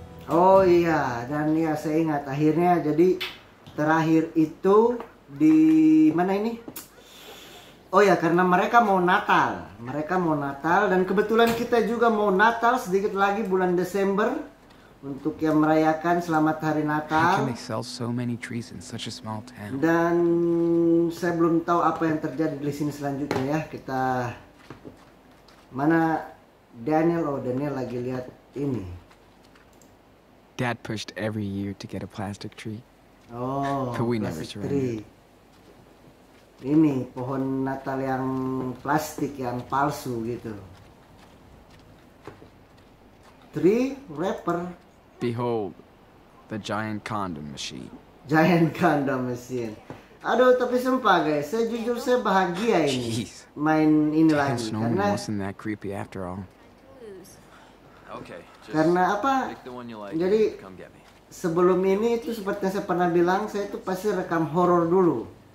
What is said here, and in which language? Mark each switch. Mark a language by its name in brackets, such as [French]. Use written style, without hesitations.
[Indonesian] Oh iya, dan ya saya ingat akhirnya, jadi terakhir itu di mana ini? Oh ya, karena mereka mau Natal. Mereka mau Natal dan kebetulan kita juga mau Natal sedikit lagi bulan Desember untuk yang merayakan selamat hari Natal. [English] How can they sell so many trees in such a small town? [Indonesian] Dan saya belum tahu apa yang terjadi di sini selanjutnya ya. Kita mana Daniel, oh Daniel lagi lihat ini. [English] Dad pushed every year to get a plastic tree. Oh, but we plastic never surrendered. [Indonesian] Ini pohon Natal yang plastik yang palsu gitu. [English] Tree wrapper. Behold, the giant condom machine. Giant condom machine. [Indonesian] Aduh, tapi sumpah guys, saya jujur saya bahagia ini. [English] Jeez. [Indonesian] Main ini lagi. [English] Damn, Snowman wasn't that creepy after all. Okay, just [Indonesian] karena apa? Like, jadi sebelum ini itu seperti yang saya pernah bilang, saya itu pasti rekam horor dulu.